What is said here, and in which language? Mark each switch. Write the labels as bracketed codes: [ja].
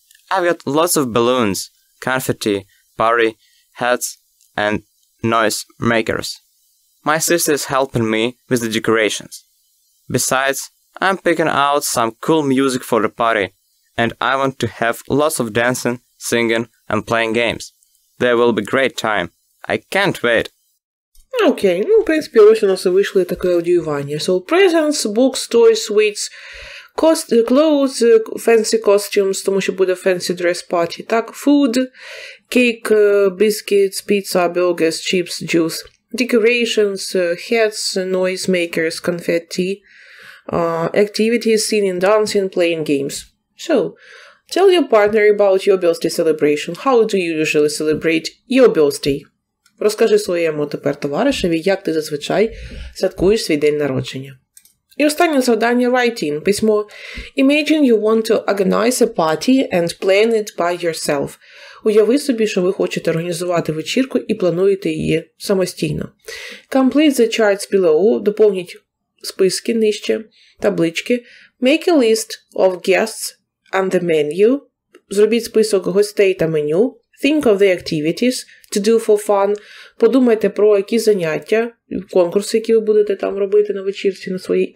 [en] I've got lots of balloons, confetti, party hats and noise makers. My sister is helping me with the decorations. Besides, I'm picking out some cool music for the party, and I want to have lots of dancing, singing, and playing games. There will be great time. I can't wait. [uk] Окей, ну, в принципі, ось у нас і вийшло таке аудіювання. [en] So, presents, books, toys, sweets, clothes, fancy costumes, [uk] тому що буде [en] fancy dress party, [uk] так, [en] food, cake, biscuits, pizza, burgers, chips, juice, decorations, hats, noise makers, confetti, activities, singing, dancing, playing games. So, tell your partner about your birthday celebration. How do you usually celebrate your birthday? [uk] Розкажи своєму тепер товаришеві, як ти зазвичай святкуєш свій день народження. І останнє завдання – writing, письмо. [en] Imagine you want to organize a party and plan it by yourself. [uk] Уяви собі, що ви хочете організувати вечірку і плануєте її самостійно. [en] Complete the charts below, [uk] доповніть списки нижче, таблички. [en] Make a list of guests and the menu. [uk] Зробіть список гостей та меню. [en] Think of the activities to do for fun. [uk] Подумайте про які заняття, конкурси, які ви будете там робити на вечірці на своїй.